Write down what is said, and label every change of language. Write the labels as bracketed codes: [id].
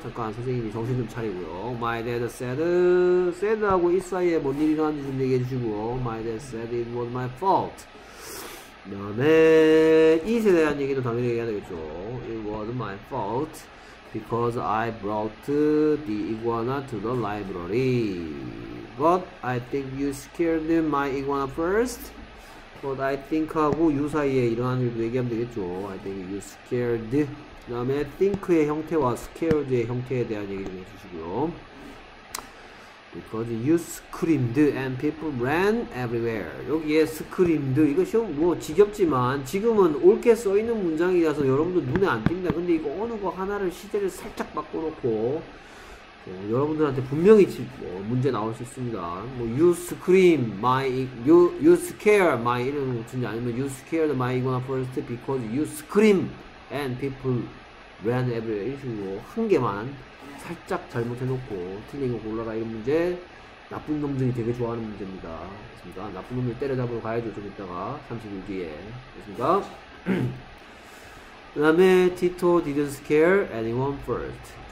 [ko] 잠깐 선생님이 정신 좀 차리고요. [en] My dad said, [ko] said하고 이 사이에 뭔 일이 일어났는지 좀 얘기해 주시고요. [en] My dad said it was my fault. [ko] 그 다음에 it에 대한 얘기도 당연히 얘기해야 되겠죠. [en] It was my fault because I brought the iguana to the library. But I think you scared my iguana first. But I think [ko] 하고 you 사이에 일어난 일도 얘기하면 되겠죠. [en] I think you scared. [ko] 그 다음에 think의 형태와 scared의 형태에 대한 얘기 좀 해주시고요. [en] Because you screamed and people ran everywhere. [ko] 여기에 screamed, 이거 시험 뭐 지겹지만 지금은 옳게 써있는 문장이라서 여러분들 눈에 안 띕니다. 근데 이거 어느 거 하나를 시제를 살짝 바꿔놓고 여러분들한테 분명히 뭐 문제 나올 수 있습니다. 뭐 [en] you scream my, you scare my [ko] 이런 것인지 아니면 [en] you scared my iguana first because you scream and people ran everywhere. [ko] 이런 식으로 한 개만 살짝 잘못해놓고 틀린 거 골라라 이런 문제 나쁜 놈들이 되게 좋아하는 문제입니다. 그렇습니까? 나쁜 놈들 때려잡으러 가야죠. 좀 이따가 30일 뒤에. 그렇습니까? 그 다음에 [en] Tito didn't scare anyone first.